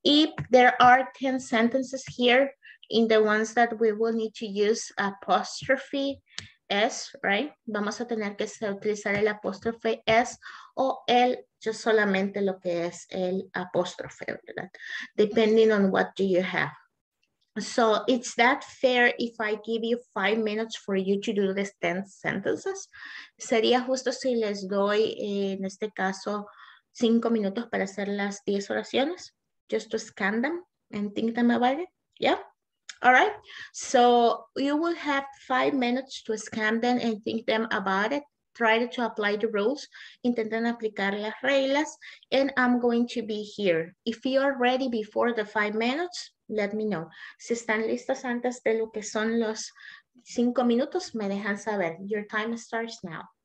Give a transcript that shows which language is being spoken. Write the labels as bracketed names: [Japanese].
[English] Y there are 10 sentences here in the ones that we will need to use apostrophe S, right? [Spanish] Vamos a tener que utilizar el apóstrofe S o el, just solamente lo que es el apóstrofe, ¿verdad? [English] Depending on what do you have. So, is that fair if I give you 5 minutes for you to do these 10 sentences? [Spanish] ¿Sería justo si les doy, en este caso, 5 minutos para hacer las 10 oraciones? [English] Just to scan them and think them about it, yeah? All right, so you will have 5 minutes to scan them and think them about it. Try to apply the rules. [Spanish] Intenten aplicar las reglas. [English] And I'm going to be here. If you are ready before the 5 minutes, let me know. [Spanish] Si están listas antes de lo que son los 5 minutos, me dejan saber. [English] Your time starts now.